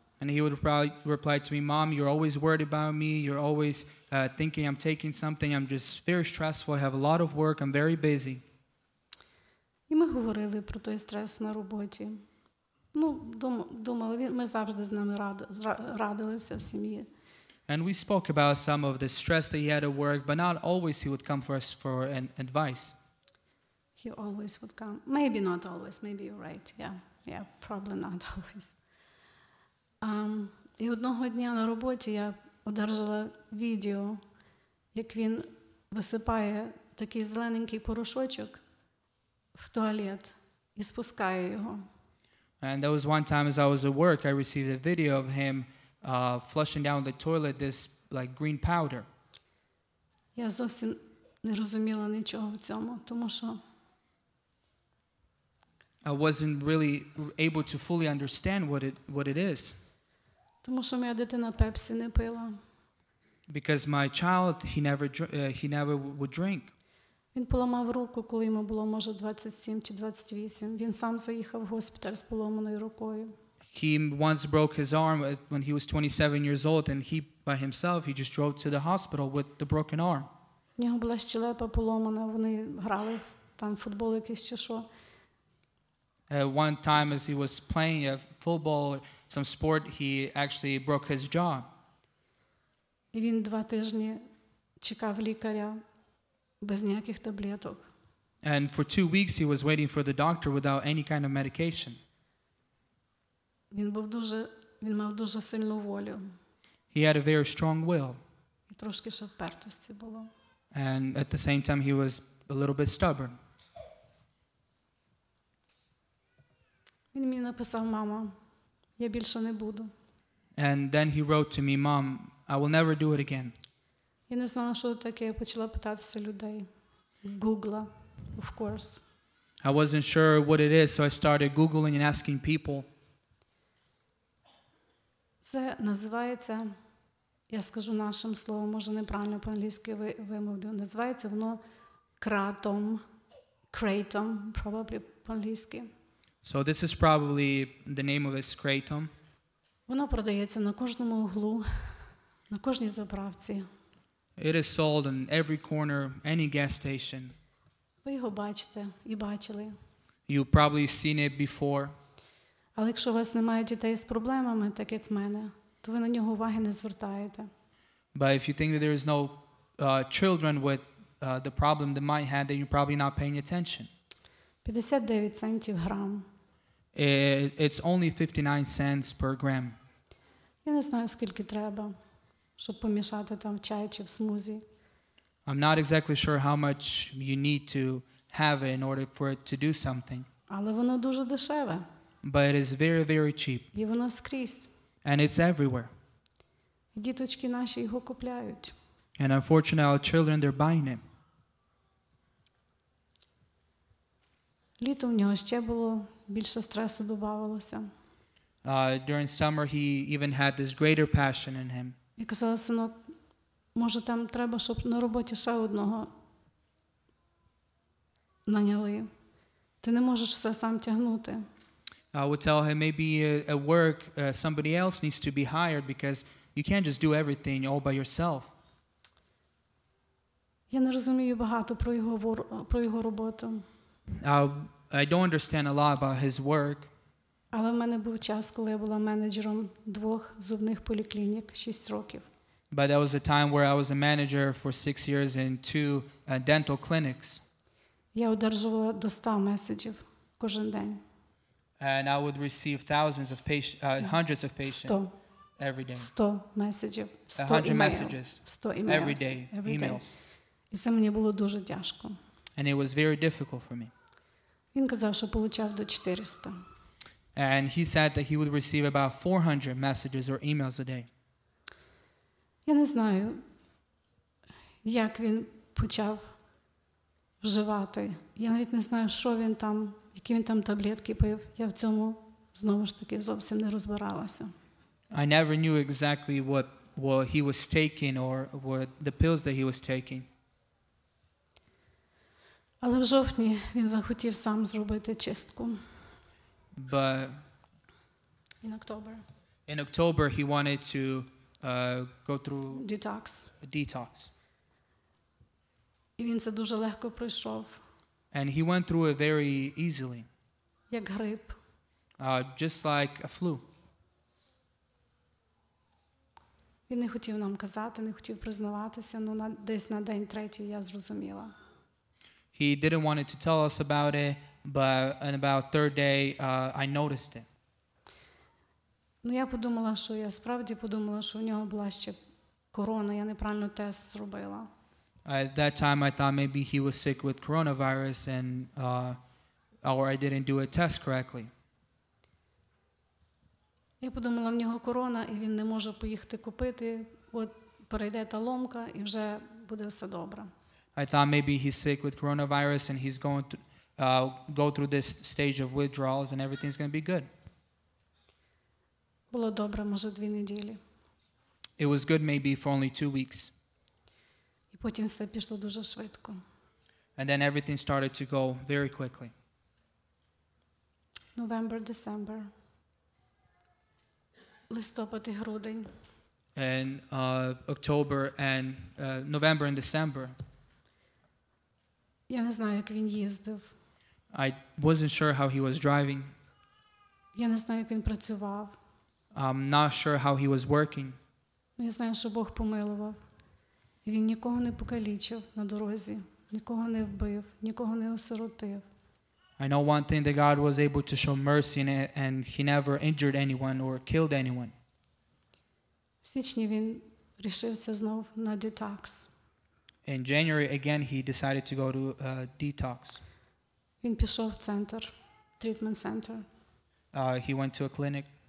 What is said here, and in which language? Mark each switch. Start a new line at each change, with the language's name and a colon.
English: And he would reply to me, mom, you're always worried about me. You're always thinking I'm taking something. I'm just very stressful. I have a lot of work. I'm very busy.
Ukrainian: І ми говорили про той стрес на роботі. Ну, думали, ми завжди з ними радилися в сім'ї.
English: And we spoke about some of the stress that he had at work, but not always he would come for us for an advice. He always would come. Maybe not always. Maybe you're right. Yeah. Yeah, probably not always.
Ukrainian: І одного дня на роботі я одержала відео, як він висипає такий зелененький порошочок в туалет і спускає його.
English: And there was one time as I was at work, I received a video of him flushing down the toilet this like green powder.
Ukrainian: Я зовсім не розуміла нічого в цьому, тому що
English: I wasn't really able to fully understand what it is.
Ukrainian: Тому що моя дитина Пепсі не пила.
English: Because my child he never would drink.
Ukrainian: Він поламав руку, коли йому було, може, 27 чи 28. Він сам заїхав в госпіталь з поламаною рукою.
English: He once broke his arm when he was 27 years old and he by himself he just drove to the hospital with the broken arm.
Ukrainian: У нього була щелепа поломана, вони грали там футбол якийсь чи що.
English: One time as he was playing a football some sport he actually broke his jaw.
Ukrainian: І він 2 тижні чекав лікаря без ніяких таблеток.
English: And for 2 weeks he was waiting for the doctor without any kind of medication.
Ukrainian: Він мав дуже сильну волю.
English: He had a very strong will.
Ukrainian: І трошки ще впертості було.
English: And at the same time he was a little bit stubborn.
Ukrainian: Він мені написав: "Мама, я більше не буду".
English: And then he wrote to me, "Mom, I will never do it again".
Ukrainian: Я не знала, що таке, я почала питатися людей.
English: Гугла, of course. I wasn't sure what it is, so I started googling and asking people.
Ukrainian: Це називається, я скажу нашим словом, може неправильно по-англійськи вимовлю, називається воно кратом,
English: probably
Ukrainian: по-англійськи.
English: So this is probably the name of this kratom.
Ukrainian: Воно продається на кожному углу, на кожній заправці.
English: It is sold in every corner, any gas station.
Ukrainian: Ви його бачите і бачили.
English: You've probably seen it before.
Ukrainian: Але якщо у вас немає дітей з проблемами, так як в мене, то ви на нього уваги не звертаєте.
English: But if you think that there is no children with the problem that might have, then you're probably not paying attention.
Ukrainian: 59 центів грам.
English: It's only 59 cents per gram.
Ukrainian: Я не знаю, скільки треба, щоб помішати там в чай чи в смузі.
English: I'm not exactly sure how much you need to have in order for it to do something.
Ukrainian: Але воно дуже дешеве.
English: But it is very, very cheap.
Ukrainian: І воно скрізь.
English: And it's everywhere.
Ukrainian: Діточки наші його купляють.
English: And unfortunately, our children, they're buying it.
Ukrainian: Літо в нього ще було більше стресу додавалося.
English: During summer, he even had this greater passion in him.
Ukrainian: Я казала, синок, може там треба, щоб на роботі ще одного наняли. Ти не можеш все сам тягнути.
English: I would tell him, maybe at work, somebody else needs to be hired because you can't just do everything all by yourself.
Ukrainian: Я не розумію багато про його роботу.
English: I don't understand a lot about his work.
Ukrainian: Але в мене був час, коли я була менеджером двох зубних поліклінік 6 років.
English: But there was a time where I was a manager for 6 years in two dental clinics.
Ukrainian: Я одержувала до 100 меседжів кожен день.
English: And I would receive thousands of hundreds of patients. 100. Every day.
Ukrainian: 100 меседжів.
English: 100 messages. 100 emails. Every day. Emails.
Ukrainian: І це мені було дуже тяжко.
English: And it was very difficult for me.
Ukrainian: Він казав, що получав до 400.
English: And he said that he would receive about 400 messages or emails a day.
Ukrainian: Я не знаю, як він почав вживати. Я навіть не знаю, що він там, які він там таблетки пив. Я в цьому, знову ж таки, зовсім не розбиралася.
English: I never knew exactly what he was taking or what the pills that he was taking.
Ukrainian: Але в жовтні він захотів сам зробити чистку.
English: But in October he wanted to go through detox.
Ukrainian: І він це дуже легко пройшов.
English: And he went through it very easily.
Ukrainian: Як грип.
English: Just like a flu.
Ukrainian: Він не хотів нам казати, не хотів признаватися, але десь на день третій я зрозуміла.
English: He didn't want to tell us about it, but on about third day, I noticed it.
Ukrainian: Ну, я подумала, що я справді подумала, що в нього була ще корона, я неправильно тест зробила.
English: At that time, I thought maybe he was sick with coronavirus, and or I didn't do a test correctly.
Ukrainian: Я подумала, в нього корона, і він не може поїхати купити, от перейде та ломка, і вже буде все добре.
English: I thought maybe he's sick with coronavirus and he's going to go through this stage of withdrawals and everything's going to be good.
Ukrainian: Було добре, може, 2 неділі.
English: It was good maybe for only 2 weeks.
Ukrainian: І потім все пішло дуже швидко.
English: And then everything started to go very quickly. November, December.
Ukrainian: Листопад і грудень.
English: And November and December.
Ukrainian: Я не знаю, як він їздив.
English: I wasn't sure how he was driving.
Ukrainian: Я не знаю, як він працював.
English: I'm not sure how he was working.
Ukrainian: Я знаю, що Бог помилував. І він нікого не покалічив на дорозі, нікого не вбив, нікого не осиротив.
English: I know one thing, that God was able to show mercy in it, and he never injured anyone or killed anyone.
Ukrainian: В січні він рішився знов на детокс.
English: In January, again, he decided to go to detox.
Ukrainian: Він пішов в центр,
English: treatment center. He went to a clinic.